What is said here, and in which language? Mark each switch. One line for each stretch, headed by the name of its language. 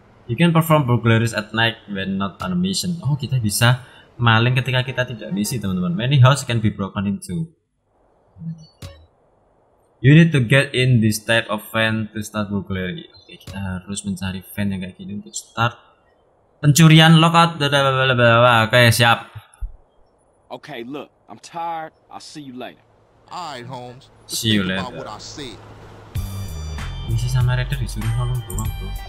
English: You can perform burglaries at night when not on a mission.
Indonesian: Oh, kita bisa maling ketika kita tidak misi, teman-teman.
English: Many houses can be broken into. You need to get in this type of van to start burglary.
Indonesian: Okay, kita harus mencari van yang kayak gini untuk start pencurian.
English: Lockout. Okay, siap. Okay, look, I'm tired. I'll see you later. Alright, Holmes. See you later.
Indonesian: Misi sama Raider disuruh nolong doang, bro.